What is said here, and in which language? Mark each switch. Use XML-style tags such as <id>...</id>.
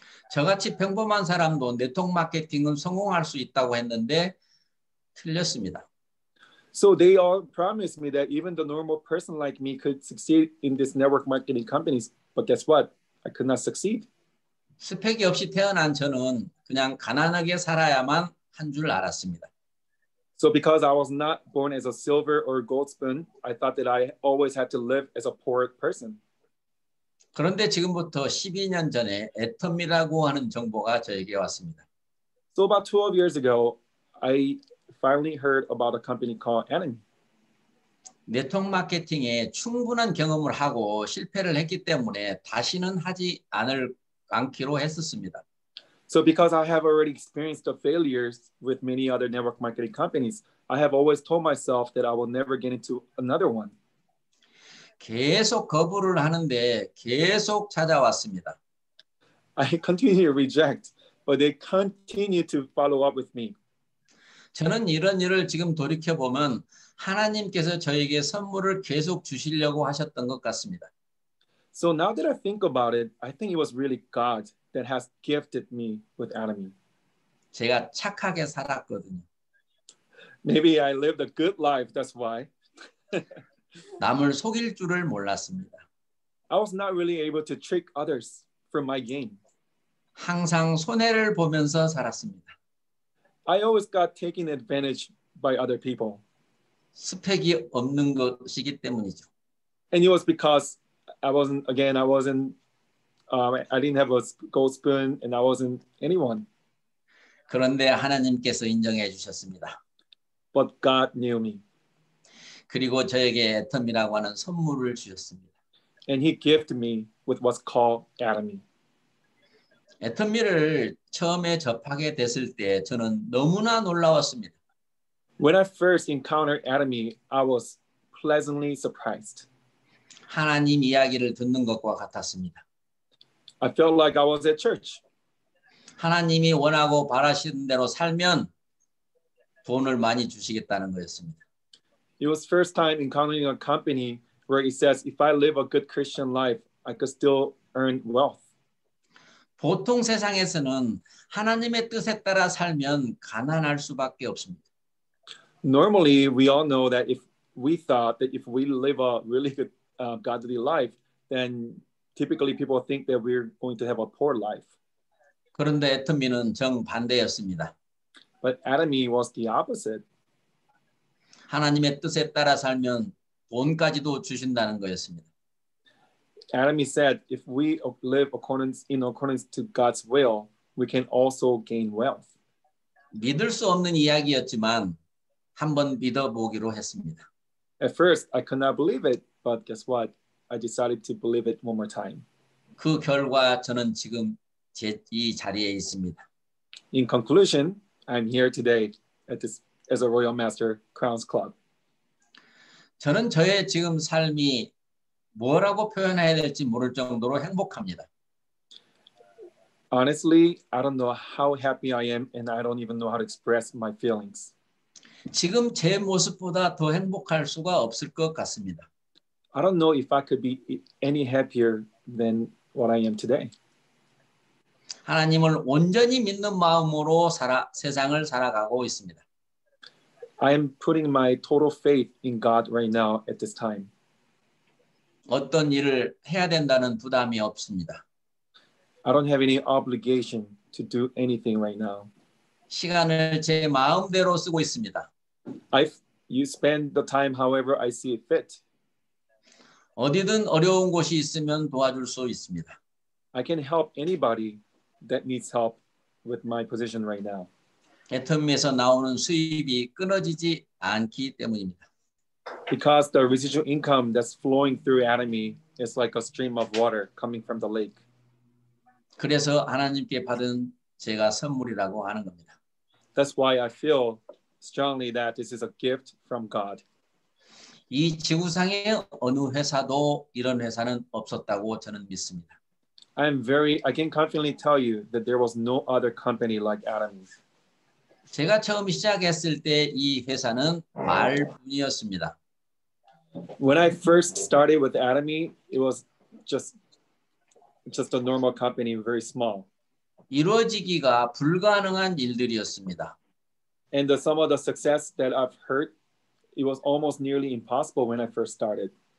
<ko>저같이 평범한 사람도 네트워크 마케팅은 성공할 수 있다고 했는데 틀렸습니다.</ko> <en>So they all promised me that even the normal person like me could succeed in this network marketing companies, but guess what? I could not succeed.</en> <ko>스펙이 없이 태어난 저는 그냥 가난하게 살아야만 한 줄 알았습니다.</ko> <en>So because I was not born as a silver or gold spoon, I thought that I always had to live as a poor person.</en> <ko>그런데 지금부터 12년 전에 애터미라고 하는 정보가 저에게 왔습니다.</ko> <en>So about 12 years ago, I finally heard about a company called Atomy.</en> <ko>네트워크 마케팅에 충분한 경험을 하고 실패를 했기 때문에 다시는 하지 않을 않기로 했었습니다.</ko> <en>So because I have already experienced the failures with many other network marketing companies, I have always told myself that I will never get into another one.</en> <ko>계속 거부를 하는데 계속 찾아왔습니다.</ko> <en>I continue to reject, but they continue to follow up with me.</en> <ko>저는 이런 일을 지금 돌이켜보면 하나님께서 저에게 선물을 계속 주시려고 하셨던 것 같습니다.</ko> <en>So now that I think about it, I think it was really God that has gifted me with Atomy.</en> <ko>제가 착하게 살았거든요.</ko> <en>Maybe I lived a good life, that's why.</en> <ko>남을 속일 줄을 몰랐습니다.</ko> <en>I was not really able to trick others for my gain.</en> <ko>항상 손해를 보면서 살았습니다.</ko> <en>I always got taken advantage by other people.</en> <ko>스펙이 없는 것이기 때문이죠.</ko> <en>And it was because I didn't have a gold spoon and I wasn't anyone.</en> <ko>그런데 하나님께서 인정해 주셨습니다.</ko> <en>But God knew me.</en> <ko>그리고 저에게 애터미라고 하는 선물을 주셨습니다.</ko> <en>And he gifted me with what's called Atomy.</en> <ko>애터미를 처음에 접하게 됐을 때 저는 너무나 놀라웠습니다.</ko> <en>When I first encountered Atomy, I was pleasantly surprised.</en> <ko>하나님 이야기를 듣는 것과 같았습니다.</ko> <en>I felt like I was at church.</en> <ko>하나님이 원하고 바라시는 대로 살면 돈을 많이 주시겠다는 거였습니다.</ko> <en>It was first time encountering a company where it says if I live a good Christian life, I could still earn wealth.</en> <ko>보통 세상에서는 하나님의 뜻에 따라 살면 가난할 수밖에 없습니다.</ko> <en>Normally, we all know that if we live a really good godly life, then typically people think that we're going to have a poor life.</en> <ko>그런데 애터미는 정반대였습니다.</ko> <en>But Atomy was the opposite.</en> <ko>하나님의 뜻에 따라 살면 돈까지도 주신다는 거였습니다.</ko> <en>Adam said, if we live in accordance to God's will, we can also gain wealth.</en> <ko>믿을 수 없는 이야기였지만 한번 믿어보기로 했습니다.</ko> <en>At first, I could not believe it, but guess what? I decided to believe it one more time.</en> <ko>그 결과 저는 지금 이 자리에 있습니다.</ko> <en>In conclusion, I'm here today as a Royal Master Crowns Club.</en> <ko>저는 저의 지금 삶이 뭐라고 표현해야 될지 모를 정도로 행복합니다.</ko> <en>Honestly, I don't know how happy I am and I don't even know how to express my feelings.</en> <ko>지금 제 모습보다 더 행복할 수가 없을 것 같습니다.</ko> <en>I don't know if I could be any happier than what I am today.</en> <ko>하나님을 온전히 믿는 마음으로 세상을 살아가고 있습니다.</ko> <en>I am putting my total faith in God right now at this time.</en> <ko>어떤 일을 해야 된다는 부담이 없습니다.</ko> <en>I don't have any obligation to do anything right now.</en> <ko>시간을 제 마음대로 쓰고 있습니다.</ko> <en>You spend the time however I see fit.</en> <ko>어디든 어려운 곳이 있으면 도와줄 수 있습니다.</ko> <en>I can help anybody that needs help with my position right now.</en> <ko>애터미에서 나오는 수입이 끊어지지 않기 때문입니다.</ko> <en>Because the residual income that's flowing through Atomy is like a stream of water coming from the lake.</en> <ko>그래서 하나님께 받은 제가 선물이라고 하는 겁니다.</ko> <en>That's why I feel strongly that this is a gift from God.</en> <ko>이 지구상에 어느 회사도 이런 회사는 없었다고 저는 믿습니다.</ko> <en>I can confidently tell you that there was no other company like Atomy's.</en> <ko>제가 처음 시작했을 때 이 회사는 말뿐이었습니다.</ko> <en>When I first started with Atomy, it was just a normal company, very small.</en> <ko>이루어지기가 불가능한 일들이었습니다.</ko> <en>And some of the success that I've heard, it was almost nearly impossible when I first started.</en>